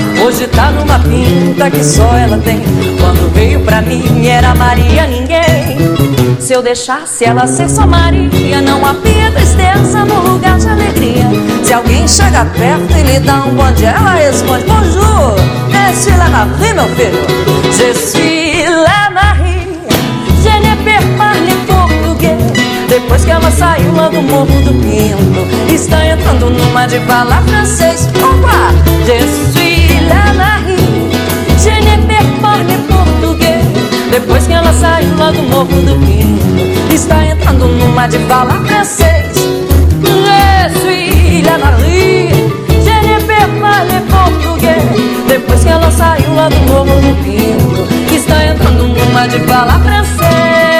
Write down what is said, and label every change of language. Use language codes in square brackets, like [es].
[pt] Hoje tá numa pinta que só ela tem. Quando veio pra mim era Maria ninguém. Se eu deixasse ela ser só Maria, não havia tristeza no lugar de alegria. Se alguém chega perto e lhe dá um bom dia, ela responde: [fr] Bonjour, je suis la Marie, [pt] meu filho. [fr] Je suis la Marie, je ne parle português. [pt] Depois que ela saiu lá do Morro do Pinto, está entrando numa de falar francês. Opa! [fr] Je suis la Marie, je ne parle português. [pt] Depois que ela saiu lá do Morro do Pinto, está entrando numa de falar francês. [fr] Je suis la Marie, je ne parle português. [pt] Depois que ela saiu lá do Morro do Pinto, está entrando numa de falar francês.